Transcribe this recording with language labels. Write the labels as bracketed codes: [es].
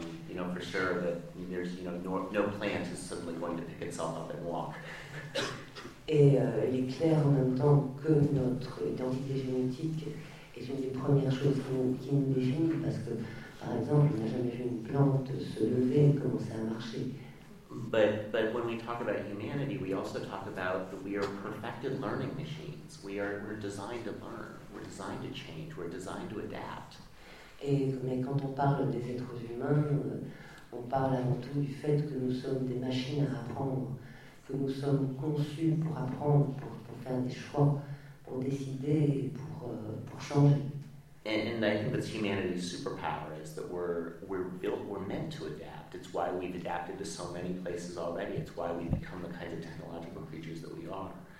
[en] You know, for sure that there's, you know, no plant is suddenly going to pick itself up and walk. [fr] Et il est clair en même temps que notre identité génétique est une des premières choses qui nous définit parce que, par exemple, on n'a jamais vu une plante se lever et commencer à marcher. [en] But when we talk about humanity, we also talk about that we are perfected learning machines. We're designed to learn. We're designed to change. We're designed to adapt. [fr] Mais quand on parle des êtres humains, on parle avant tout du fait que nous sommes des machines à apprendre, que nous sommes conçus pour apprendre, pour faire des choix, pour décider, pour changer. [en] And I think that's humanity's superpower is that we're meant to adapt. It's why we've adapted to so many places already. It's why we've become the kinds of technological creatures that we are.